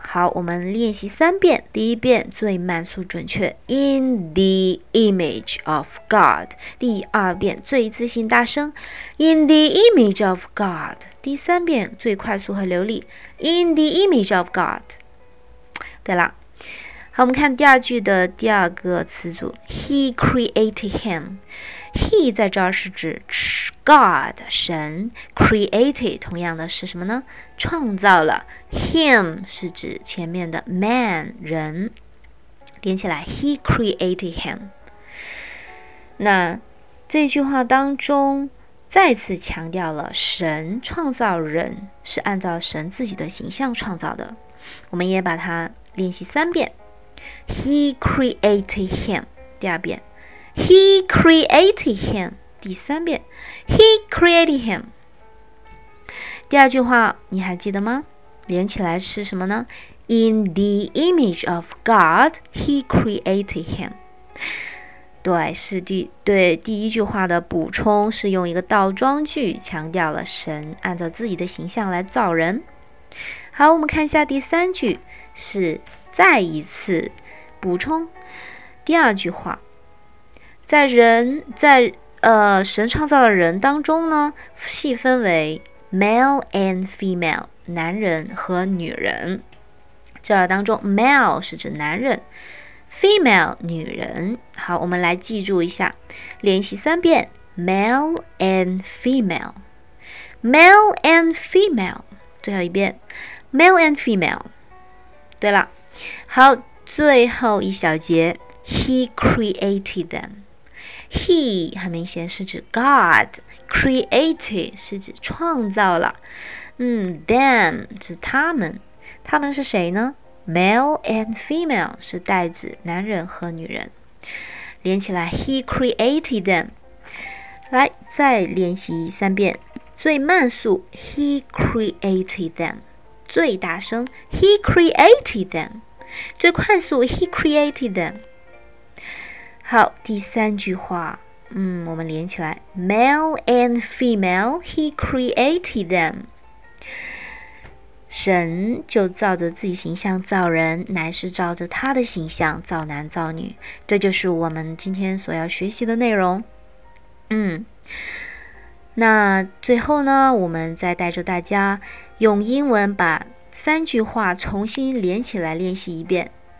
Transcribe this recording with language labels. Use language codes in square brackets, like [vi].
[zh] 好，我们练习三遍，第一遍最慢速准确， [en] in the image of God， [zh] 第二遍最自信大声， in the image of God， 第三遍最快速和流利， in the image of God。对了，好，我们看第二句的第二个词组， [en] He created him。 [zh] He 在这儿是指 God 神， created 同样的是什么呢？创造了。 Him 是指前面的 man 人，连起来 [en] He created him。 [zh] 那这句话当中再次强调了神创造人是按照神自己的形象创造的，我们也把它练习三遍。 [en] He created him， [zh] 第二遍 [en] He created him， [zh] 第三遍 [en] He created him。 [zh] 第二句话你还记得吗？连起来是什么呢？ [en] In the image of God He created him。 [zh] 对，是对第一句话的补充，是用一个倒装句强调了神按照自己的形象来造人。好，我们看一下第三句，是再一次补充第二句话，在人在神创造的人当中呢，细分为 [en] male and female， [zh] 男人和女人。这儿当中 male 是指男人， female 女人。好，我们来记住一下，练习三遍 [en] male and female， male and female， [zh] 最后一遍 [en] male and female。 [zh] 对了，好，最后一小节 [en] He created them。 [zh] He 很明显是指 God， Created 是指创造了，them 指他们，他们是谁呢？ [en] Male and female [zh] 是代指男人和女人，连起来 [en] He created them。 [zh] 来，再练习三遍，最慢速 [en] He created them， [zh] 最大声 [en] He created them， [zh] 最快速 [en] He created them。 [zh] 好，第三句话，我们连起来 [en] Male and female He created them。 [zh] 神就照着自己形象造人，乃是照着他的形象造男造女，这就是我们今天所要学习的内容。那最后呢，我们再带着大家用英文把三句话重新连起来练习一遍。